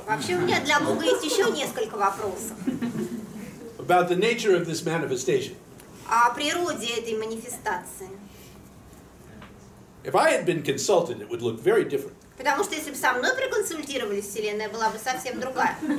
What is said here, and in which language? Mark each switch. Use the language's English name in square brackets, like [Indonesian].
[Russian] Вообще у меня для Бога есть еще несколько вопросов. [English] About the nature of this manifestation. [Russian] О природе этой манифестации. [English] If I had been consulted, it would look very different. [Russian] Потому что если бы со мной проконсультировались, вселенная была бы совсем другая.